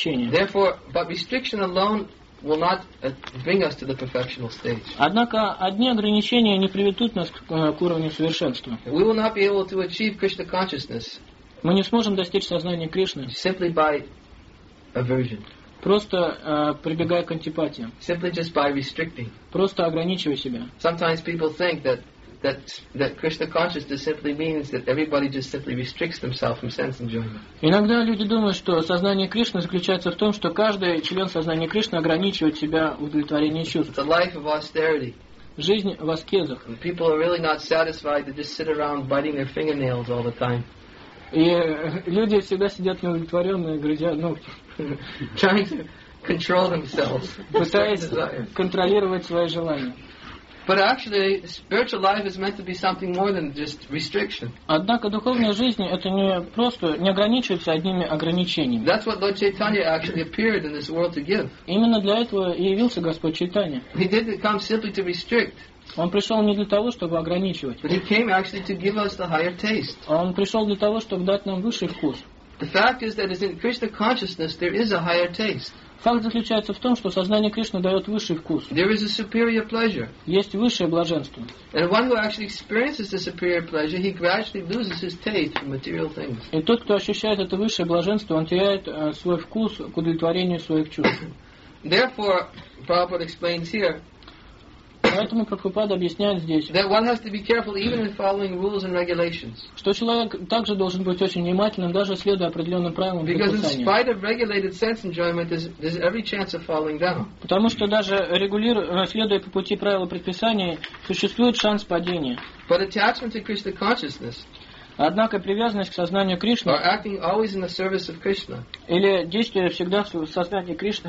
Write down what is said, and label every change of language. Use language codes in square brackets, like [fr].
[en] Therefore, but restriction alone will not bring us to the perfectional stage. [ru] Однако одни ограничения не приведут нас к уровню совершенства. [en] We will not be able to achieve Krishna consciousness. [ru] Мы не сможем достичь сознания Кришны. [en] Simply by aversion. [ru] Просто прибегая к антипатиям. [en] Simply just by restricting. [ru] Просто ограничивая себя. [en] Sometimes people think that Krishna consciousness simply means that everybody just simply restricts themselves from sense enjoyment. [ru] Иногда люди думают, что сознание Кришны заключается в том, что каждый член сознания Кришны ограничивает себя в удовлетворении чувств. [en] It's a life of austerity. [ru] Жизнь в аскезах. [en] And people are really not satisfied to just sit around biting their fingernails all the time. [ru] И люди всегда сидят неудовлетворенные, грызя ногти. [en] Trying to control themselves. [ru] Пытаясь контролировать свои желания. [en] But actually, spiritual life is meant to be something more than just restriction. [ru] Однако духовная жизнь это не просто не ограничивается одними ограничениями. [en] That's what Lord Chaitanya actually appeared in this world to give. [ru] Именно для этого и явился Господь Чайтанья. [en] He didn't come simply to restrict. [ru] Он пришел не для того, чтобы ограничивать. [en] But he came actually to give us the higher taste. [ru] Он пришел для того, чтобы дать нам высший вкус. [en] The fact is that in Krishna consciousness there is a higher taste. [ru] Факт заключается в том, что сознание Кришны дает высший вкус. [en] There is a superior pleasure. [ru] Есть высшее блаженство. [en] And one who actually experiences the superior pleasure, he gradually loses his taste for material things. [ru] И тот, кто ощущает это высшее блаженство, он теряет свой вкус к удовлетворению своих чувств. [en] Therefore, Prabhupada explains here. [ru] Поэтому Прабхупада объясняет здесь, [en] that one has to be careful even in following rules and regulations. [ru] Что человек также должен быть очень внимательным, даже следуя определенным правилам предписания. [en] Because in spite of regulated sense enjoyment, there's every chance of falling down. [ru] Потому что даже следуя по пути правила предписания, существует шанс падения. [en] But attachment to Krishna consciousness. [ru] Однако привязанность к сознанию Кришны [en] or acting always in the service of Krishna, [ru] или действие всегда в сознании Кришны